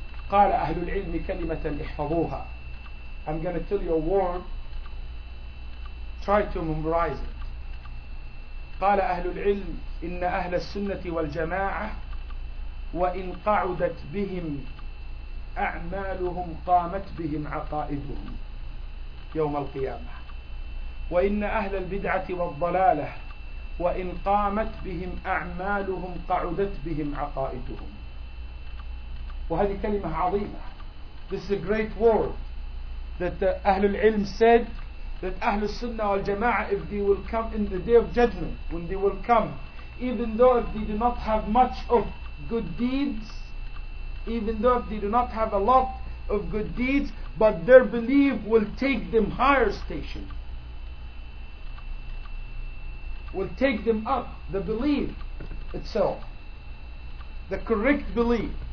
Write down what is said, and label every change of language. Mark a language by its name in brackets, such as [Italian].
[Arabic] قال أهل العلم كلمة احفظوها. [English] I'm going to tell you a word, try to memorize it. [Arabic] قال أهل العلم إن أهل السنة والجماعة وإن قعدت بهم أعمالهم قامت بهم عقائدهم يوم القيامة وإن أهل البدعة والضلالة وإن قامت بهم أعمالهم قعدت بهم عقائدهم. وهذه كلمة عظيمة. [English] This is a great word. that Ahlul Ilm said that Ahlul Sunnah wal Jama'ah, if they will come in the Day of Judgment, when they will come, even though if they do not have much of good deeds, even though if they do not have a lot of good deeds, but their belief will take them higher station, will take them up, the belief itself, the correct belief.